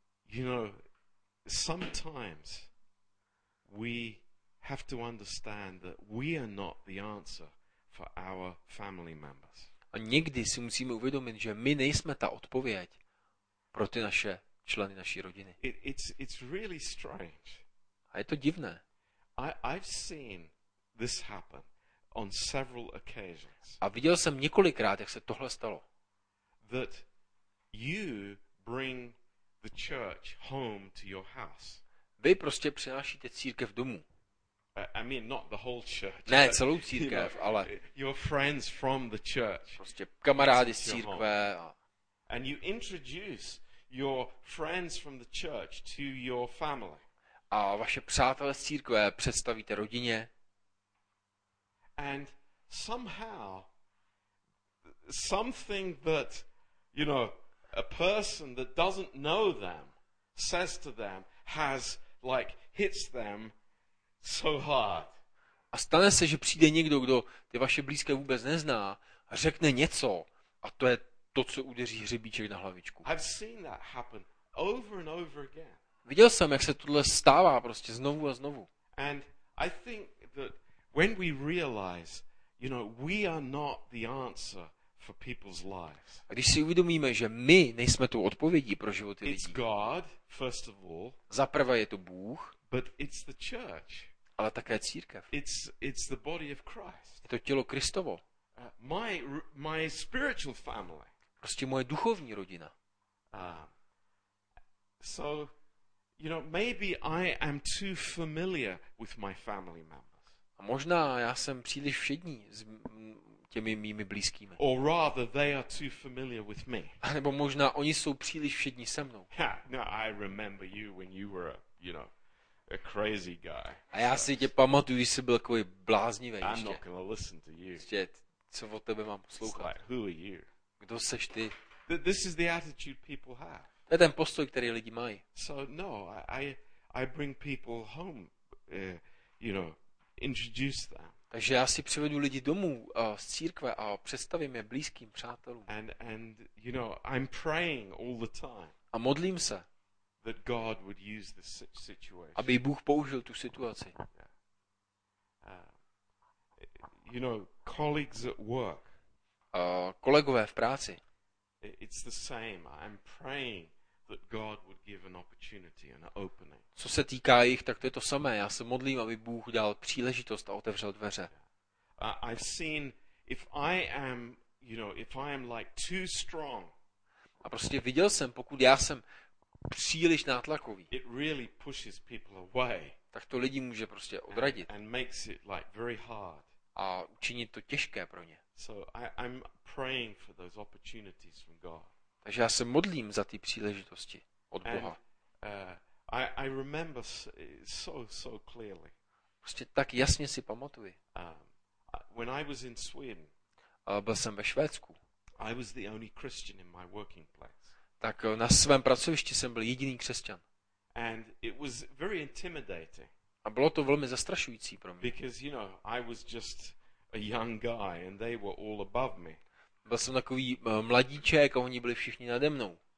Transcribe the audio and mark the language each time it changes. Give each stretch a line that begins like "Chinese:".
English: You know, sometimes we have to understand that we are not the answer for our family members.
Czech: A někdy si musíme uvědomit, že my nejsme ta odpověď pro ty naše členy naší rodiny.
English: It's really strange.
Czech: A je to divné.
English: I've seen this happen on several occasions.
Czech: A viděl jsem několikrát, jak se tohle stalo.
English: That you bring the church home to your house.
Czech: Vy prostě přinášíte církev domů.
English: I mean, not the whole church.
Czech: Ne, celou církev, ale
English: your friends from the church.
Czech: Prostě kamarády z církve.
English: And you introduce your friends from the church to your family.
Czech: A vaše přátelé z církve představíte rodině.
English: And somehow something that, you know, a person that doesn't know them says to them has like hits them so hard.
Czech: A stane se, že přijde někdo, kdo ty vaše blízké vůbec nezná, a řekne něco, a to je to, co udeří hřebíček na hlavičku.
English: I've seen that happen over and over again.
Czech: Viděl jsem, jak se tohle stává prostě znovu a znovu.
English: And I think that when we realize, you know, we are not the answer for people's lives.
Czech: A když si uvědomíme, že my nejsme tou odpovědí pro životy lidí.
English: It's God, first of all.
Czech: Zaprvé je to Bůh.
English: But it's the church.
Czech: Ale také církev.
English: It's the body of Christ.
Czech: Je to tělo Kristovo.
English: My spiritual family.
Czech: Prostě moje duchovní rodina.
English: So, you know, maybe I am too familiar with my family members.
Czech: A možná já jsem příliš všední s těmi mými blízkými.
English: Or rather, they are too familiar with me.
Czech: A nebo možná oni jsou příliš všední se mnou.
English: No, I remember you when you were, a, you know, a crazy guy.
Czech: A já si tě pamatuju, když jsi byl takový bláznivý.
English: I'm not gonna listen to you.
Czech: Co o tebe mám poslouchat?
English: Like, who are you?
Czech: Kdo seš ty?
English: This is the attitude people have.
Czech: To je ten postoj, který lidi mají.
English: So no, I bring people home, you know, introduce them.
Czech: Takže já si přivedu lidi domů z církve a představím je blízkým přátelům.
English: And you know, I'm praying all the time.
Czech: A modlím se.
English: That God would use this situation.
Czech: Aby Bůh použil tu situaci.
English: You know, colleagues at work.
Czech: Kolegové v práci.
English: It's the same. I'm praying that God would give an opportunity and an opening.
Czech: Co se týká jich, tak to je to samé. Já se modlím, aby Bůh dal příležitost a otevřel dveře.
English: I've seen if I am, you know, if I am like too strong.
Czech: A prostě viděl jsem, pokud já jsem příliš nátlakový.
English: It really pushes people away.
Czech: Tak to lidi může prostě odradit.
English: And makes it like very hard.
Czech: A učinit to těžké pro ně.
English: So I'm praying for those opportunities from God.
Czech: Takže já se modlím za ty příležitosti od Boha.
English: I remember so clearly.
Czech: Prostě tak jasně si pamatuji.
English: When I was in Sweden.
Czech: Byl jsem ve Švédsku.
English: I was the only Christian in my working place.
Czech: Tak na svém pracovišti jsem byl jediný křesťan.
English: And it was very intimidating.
Czech: A bylo to velmi zastrašující pro mě.
English: Because you know, I was just a young guy and they were all above me.
Czech: Byl jsem takový mladíček a oni byli všichni nade mnou.